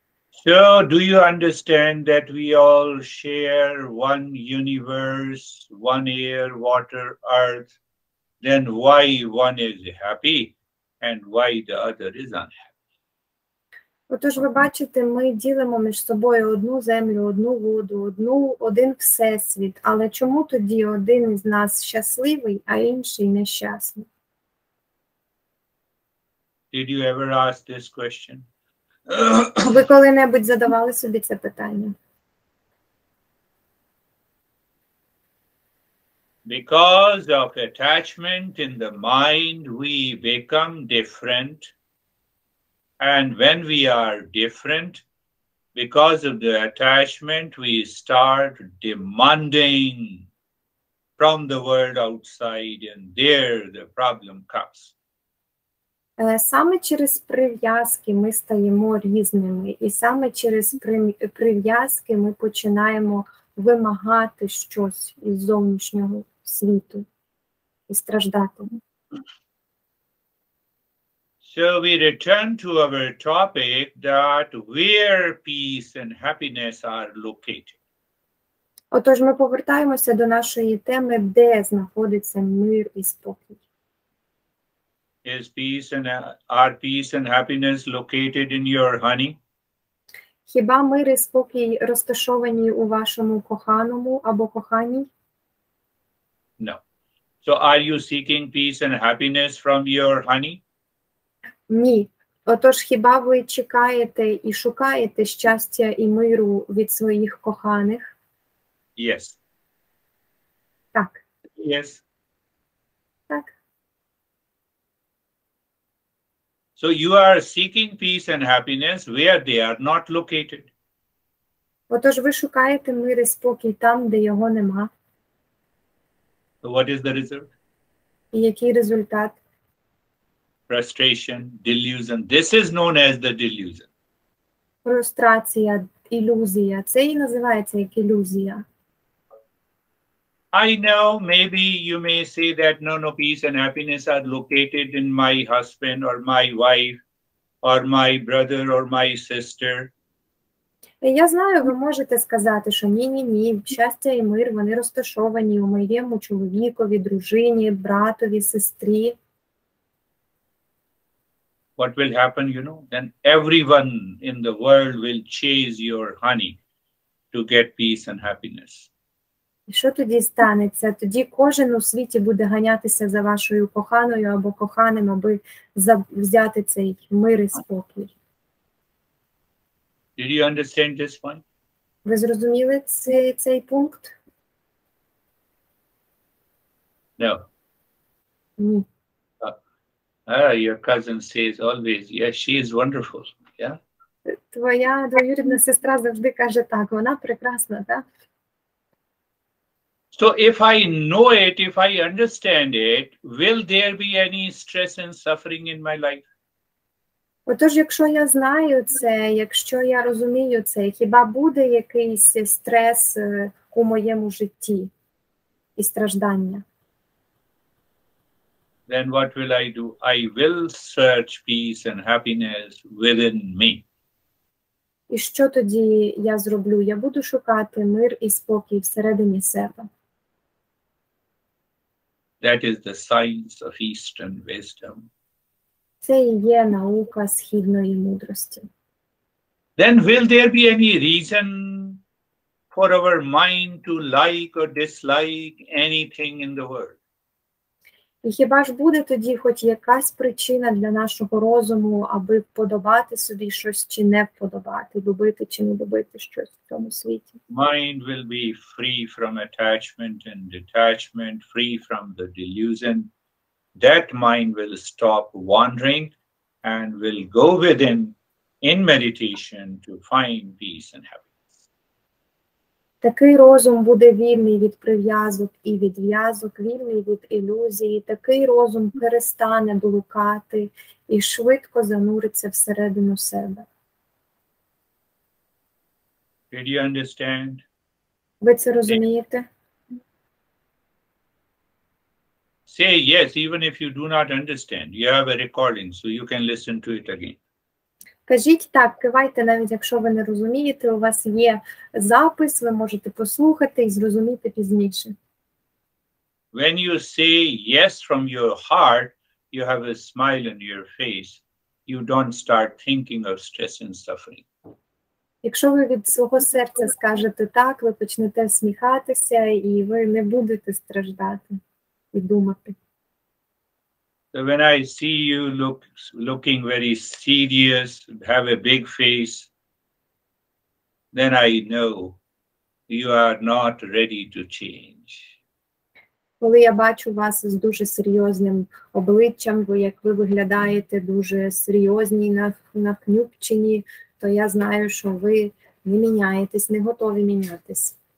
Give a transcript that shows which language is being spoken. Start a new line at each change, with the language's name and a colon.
English: So do you understand that we all share one universe, one air, water, earth? Then why one is happy and why the other is unhappy?
Ukrainian: Отож, ви бачите, ми ділимо між собою одну землю, одну воду, одну, один всесвіт. Але чому тоді один із нас щасливий, а інший нещасний?
English: Did you ever ask this question?
Ukrainian: Ви коли-небудь задавали собі це питання?
English: Because of attachment in the mind, we become different. And when we are different, because of the attachment, we start demanding from the world outside, and there the problem comes.
Ukrainian: Саме через прив'язки ми стаємо різними, і саме через прив'язки ми починаємо вимагати щось із зовнішнього світу і страждати.
English: So we return to our topic that where peace and happiness are located.
Ukrainian: Отож, ми повертаємося до нашої теми, де знаходиться мир і спокій.
English: Is peace and are peace and happiness located in your honey?
Ukrainian: Хіба мир і спокій розташовані у вашому коханому або коханій?
English: No. So are you seeking peace and happiness from your honey?
Ukrainian: Ні. Отож, хіба ви чекаєте і шукаєте щастя і миру від своїх коханих?
English: Yes.
Ukrainian: Так.
English: Yes.
Ukrainian: Так.
English: So you are seeking peace and happiness where they are not located.
Ukrainian: Отож, ви шукаєте мир і спокій там, де його нема.
English: So what is the result?
Ukrainian: І який результат?
English: Frustration, delusion. This is known as the delusion.
Ukrainian: Фрустрація, ілюзія. Це і називається як ілюзія.
English: I know, maybe you may say that no, peace and happiness are located in my husband or my wife or my brother or my sister.
Ukrainian: Я знаю, ви можете сказати, що ні, щастя і мир, вони розташовані у моєму чоловікові, дружині, братові, сестрі.
English: What will happen, you know, then everyone in the world will chase your honey to get peace and happiness.
Ukrainian: І що тоді станеться? Тоді кожен у світі буде ганятися за вашою коханою або коханим, аби взяти цей мир і спокій.
English: Did you understand this point?
Ukrainian: Ви зрозуміли цей пункт?
English: No.
Ukrainian: Ні.
English: Your cousin says always, yes, she is wonderful. Yeah?
Ukrainian: Твоя двоюрідна сестра завжди каже так, вона прекрасна, так?
English: So if I know it, if I understand it, will there be any stress and suffering in my life?
Ukrainian: Отож, якщо я знаю це, якщо я розумію це, хіба буде якийсь стрес у моєму житті і страждання?
English: Then what will I do? I will search peace and happiness within me.
Ukrainian: І що тоді я зроблю? Я буду шукати мир і спокій всередині себе.
English: That is the science of Eastern wisdom.
Ukrainian: Це є наука східної мудрості.
English: Then will there be any reason for our mind to like or dislike anything in the world?
Ukrainian: І хіба ж буде тоді хоч якась причина для нашого розуму, аби подобати собі щось чи не подобати, любити чи не любити щось в цьому світі?
English: Mind will be free from attachment and detachment, free from the delusion. That mind will stop wandering and will go within in meditation to find peace and happiness.
Ukrainian: Такий розум буде вільний від прив'язок і відв'язок, вільний від ілюзії. Такий розум перестане блукати і швидко зануриться всередину себе.
English: Did you understand?
Ukrainian: Ви це розумієте?
English: Say yes, even if you do not understand. You have a recording, so you can listen to it again.
Ukrainian: Кажіть так, кивайте, навіть якщо ви не розумієте, у вас є запис, ви можете послухати і зрозуміти пізніше.
English: When you say yes from your heart, you have a smile on your face. You don't start thinking of stress and suffering.
Ukrainian: Якщо ви від свого серця скажете так, ви почнете сміхатися і ви не будете страждати і думати.
English: So when I see you looking very serious, have a big face, then I know you are not ready to change.
Ukrainian: Коли я бачу вас з дуже серйозним обличчям, бо як ви виглядаєте дуже серйозні на кнюпчині, то я знаю, що ви не міняєтесь, не готові мінятись.